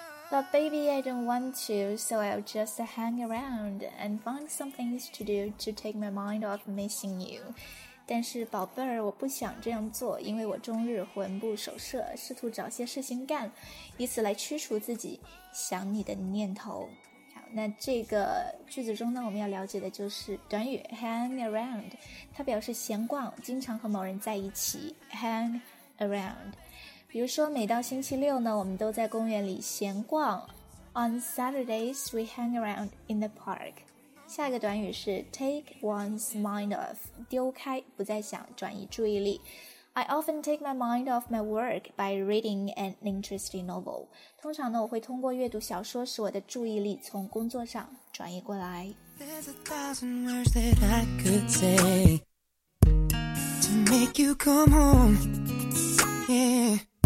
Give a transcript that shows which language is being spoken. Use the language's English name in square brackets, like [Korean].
[English] But baby, I don't want to, so I'll just hang around and find some things to do to take my mind off missing you. [Chinese] 但是宝贝儿，我不想这样做，因为我终日魂不守舍，试图找些事情干，以此来驱除自己想你的念头。好，那这个句子中呢，我们要了解的就是短语 hang around， 它表示闲逛，经常和某人在一起 hang around。比如说每到星期六呢，我们都在公园里闲逛。 [English] On Saturdays we hang around in the park。 [Chinese] 下一个短语是 take one's mind off， 丢开，不再想，转移注意力。 [English] I often take my mind off my work by reading an interesting novel。 [Chinese] 通常呢，我会通过阅读小说使我的注意力从工作上转移过来。 [English] There's a thousand words that I could say to make you come home, yeah。